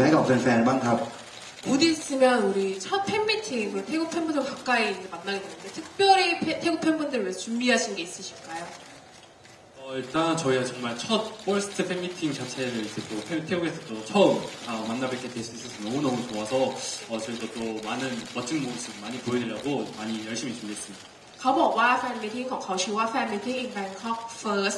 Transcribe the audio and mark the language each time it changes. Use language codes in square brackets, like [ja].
[th] สวยค่ะโอเคก็ต้องไปนะครับวันนี้จะมีงานแฟนมีทครั้งแรกของพวกคุณทั้งสองคนในประเทศไทยแฟนคลับชาวไทยรออยู่แล้วคุณเตรียมอะไรพิเศษไว้กับแฟนๆบ้างครับ [ko] 곧 있으면 우리 첫 팬미팅 그 태국 팬분들 가까이 만나게 되는데 특별히 태국 팬분들 위해 준비하신 게 있으실까요? 일단 저희가 정말 첫 퍼스트 팬미팅 자체를 이제 또 태국에서 또 처음 만나 뵙게 될 수 있어서 너무너무 좋아서 저희도 또 많은 멋진 모습 많이 보여드리려고 많이 열심히 준비했습니다. [th] เขาบอกว่าแฟนมีทของเขาชื่อว่า Family in Bangkok First